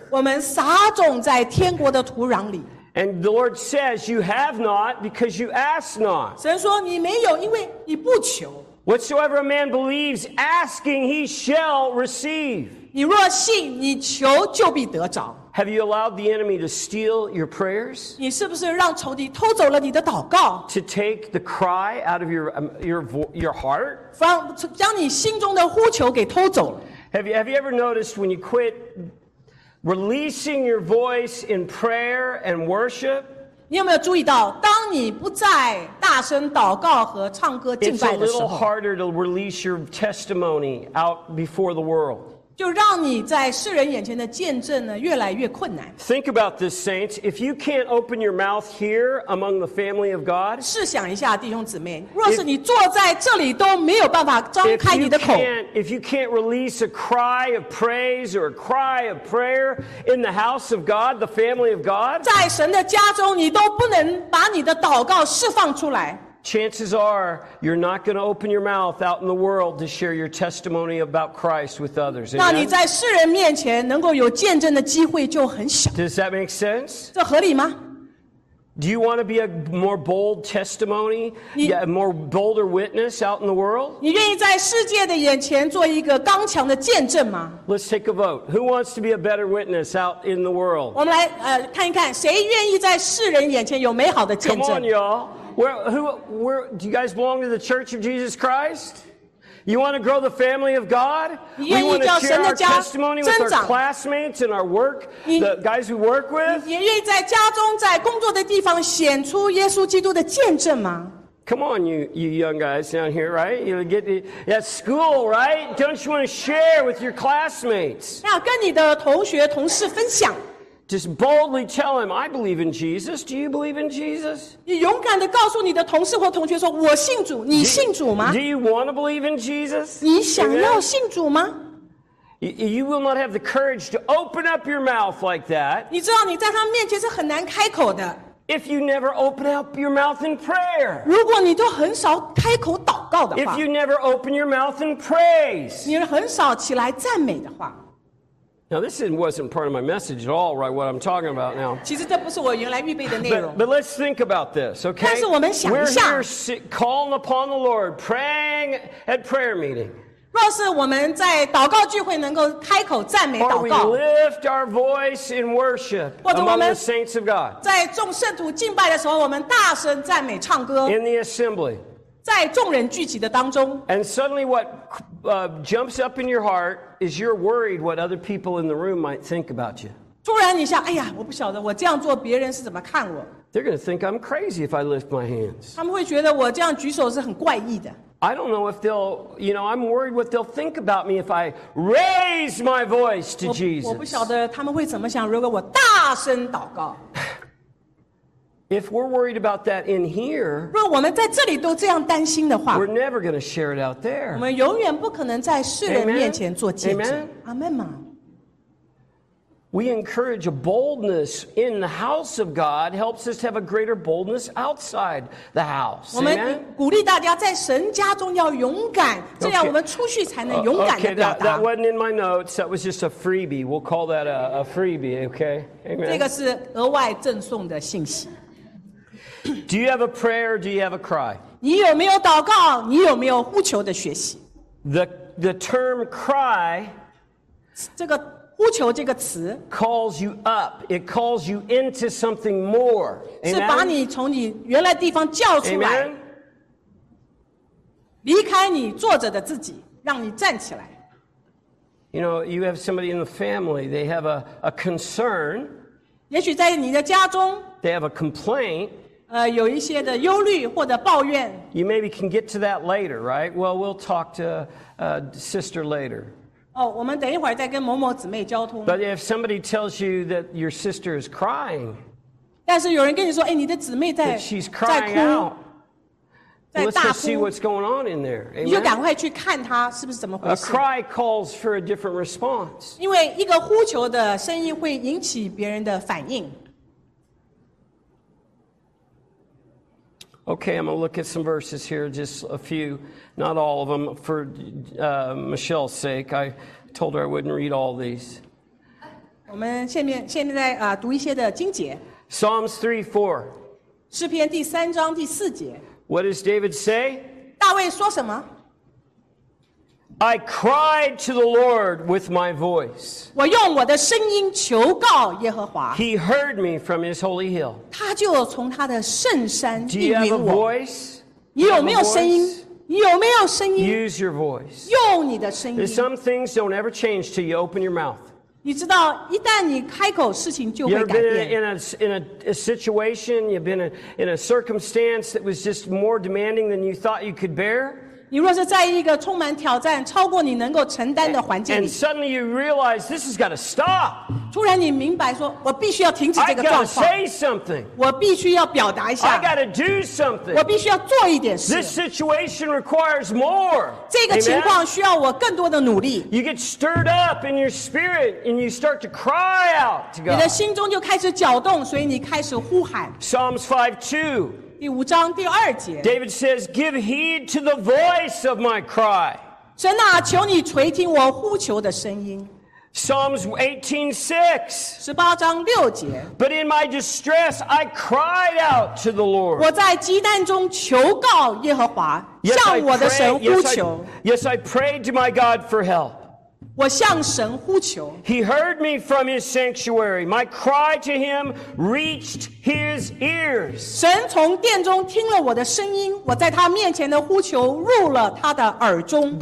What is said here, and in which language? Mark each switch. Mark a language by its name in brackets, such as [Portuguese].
[Chinese] 我们撒种在天国的土壤里。 [English] And the Lord says, "You have not because you ask not." [Chinese] 神说你没有，因为你不求。 [English] Whatsoever a man believes, asking, he shall receive. [Chinese] 你若信，你求就必得着。 [English] Have you allowed the enemy to steal your prayers? [Chinese] 你是不是让仇敌偷走了你的祷告? [English] To take the cry out of your heart? [Chinese] 将你心中的呼求给偷走了。 [English] Have you ever noticed when you quit releasing your voice in prayer and worship? [Chinese] 你有没有注意到，当你不再大声祷告和唱歌敬拜的时候 [English] ，It's a little harder to release your testimony out before the world. [Chinese] 就让你在世人眼前的见证呢越来越困难。 [English] Think about this, saints. If you can't open your mouth here among the family of God, [Chinese] 试想一下，弟兄姊妹，若是你坐在这里都没有办法张开你的口 [English] ，If you can't release a cry of praise or a cry of prayer in the house of God, the family of God, [Chinese] 在神的家中，你都不能把你的祷告释放出来。 [English] Chances are you're not going to open your mouth out in the world to share your testimony about Christ with others. [Chinese] 那你在世人面前能够有见证的机会就很小。 [English] Does that make sense? [Chinese] 这合理吗？ [English] Do you want to be a more bold testimony, a more bolder witness out in the world? [Chinese] 你愿意在世界的眼前做一个刚强的见证吗？ [English] Let's take a vote. Who wants to be a better witness out in the world? [Chinese] 我们来看一看谁愿意在世人眼前有美好的见证。 [English] Come on, y'all. Where do you guys belong to the Church of Jesus Christ? You want to grow the family of God? We want to share our testimony with our classmates and our work, the guys we work with. [Chinese] 你愿意在家中在工作的地方显出耶稣基督的见证吗？ [English] Come on, you young guys down here, right? You get at school, right? Don't you want to share with your classmates? [Chinese] 要跟你的同学同事分享。 [English] Just boldly tell him, I believe in Jesus. Do you believe in Jesus? [Chinese] 你勇敢地告诉你的同事或同学说，我信主，你信主吗？ [English] Do you want to believe in Jesus? [Chinese] 你想要信主吗？ [English] You will not have the courage to open up your mouth like that. [Chinese] 你知道你在他面前是很难开口的。 [English] If you never open up your mouth in prayer. [Chinese] 如果你都很少开口祷告的话。 [English] If you never open your mouth in praise. [Chinese] 你很少起来赞美的话。 [English] Now, this wasn't part of my message at all, right, what I'm talking about now. [Chinese] 其实这不是我原来预备的内容。 [English] But let's think about this, okay? [Chinese] 但是我们想一下。 [English] We're here calling upon the Lord, praying at prayer meeting. [Chinese] 若是我们在祷告聚会能够开口赞美祷告。 [English] Or we lift our voice in worship among the saints of God. [Chinese] 在众圣徒敬拜的时候我们大声赞美唱歌。 [English] In the assembly. [Chinese] 在众人聚集的当中 [English] ，And suddenly what jumps up in your heart is you're worried what other people in the room might think about you. [Chinese] 突然你想，哎呀，我不晓得我这样做别人是怎么看我。 [English] They're going to think I'm crazy if I lift my hands. [Chinese] 他们会觉得我这样举手是很怪异的。 [English] I don't know if they'll, you know, I'm worried what they'll think about me if I raise my voice to Jesus. [Chinese] 我不晓得他们会怎么想，如果我大声祷告。 [English] If we're worried about that in here, [Chinese] 若我们在这里都这样担心的话 [English] we're never going to share it out there. [Chinese] 我们永远不可能在世人面前做见证。 [English] Amen. Amen. We encourage a boldness in the house of God helps us to have a greater boldness outside the house. [Chinese] 我们鼓励大家在神家中要勇敢，这样我们出去才能勇敢地表达。 [English] Okay, that wasn't in my notes. That was just a freebie. We'll call that a freebie. Okay. Amen. [Chinese] 这个是额外赠送的信息。 [English] Do you have a prayer or do you have a cry? [Chinese] 你有没有祷告？你有没有呼求的学习？ [English] The term cry, [Chinese] 这个呼求这个词 [English] calls you up. It calls you into something more. [Chinese] 是把你从你原来地方叫出来， [English] Amen? [Chinese] 离开你坐着的自己，让你站起来。 [English] You know, you have somebody in the family. They have a concern. [Chinese] 也许在你的家中， [English] they have a complaint. [Chinese] 有一些的忧虑或者抱怨。 [English] You maybe can get to that later, right? Well, we'll talk to sister later. [Chinese] 哦，我们等一会儿再跟某某姊妹交通。 [English] But if somebody tells you that your sister is crying, [Chinese] 但是有人跟你说，哎，你的姊妹在 [English] she's crying [Chinese] 在哭， [English] out, [Chinese] 在大哭。 [English] Let's go see what's going on in there. [Chinese] 你就赶快去看她是不是怎么回事。 [English] A cry calls for a different response. [Chinese] 因为一个呼求的声音会引起别人的反应。 [English] Okay, I'm going to look at some verses here, just a few, not all of them, for Michelle's sake. I told her I wouldn't read all these. [Chinese] 我们现在读一些的经节。 [English] Psalms 3:4. [Chinese] 诗篇第三章第四节。 [English] What does David say? [Chinese] 大卫说什么？ [English] I cried to the Lord with my voice. [Chinese] 我用我的声音求告耶和华。 [English] He heard me from his holy hill. [Chinese] 他就从他的圣山应允我。 [English] Do you have a voice? [Chinese] 你有没有声音？你有没有声音 [English] ？Use your voice. [Chinese] 用你的声音。 [English] Some things don't ever change till you open your mouth. [Chinese] 你知道，一旦你开口，事情就会改变。 [English] You've been in a situation, you've been in a circumstance that was just more demanding than you thought you could bear. [Chinese] 你若是在一个充满挑战、超过你能够承担的环境里， [English] and suddenly you realize this has got to stop. [Chinese] 突然你明白说，我必须要停止这个状况。 [English] I got to say something. [Chinese] 我必须要表达一下。 [English] I got to do something. [Chinese] 我必须要做一点事。 [English] This situation requires more. [Chinese] 这个情况需要我更多的努力。 [English] You get stirred up in your spirit, and you start to cry out to God. [Chinese] 你的心中就开始搅动，所以你开始呼喊。 [English] Psalms 5:2. [Chinese] 第五章第二节 [English] David says, give heed to the voice of my cry. [Chinese] 神啊，求你垂听我呼求的声音。 [English] Psalms 18:6. [Chinese] 十八章六节 [English] But in my distress, I cried out to the Lord. [Chinese] 我在激难中求告耶和华，向我的神呼求。 [English] Yes, I prayed to my God for help. [Chinese] 我向神呼求。 [English] He heard me from his sanctuary. My cry to him reached his ears. [Chinese] 神从殿中听了我的声音，我在他面前的呼求入了他的耳中。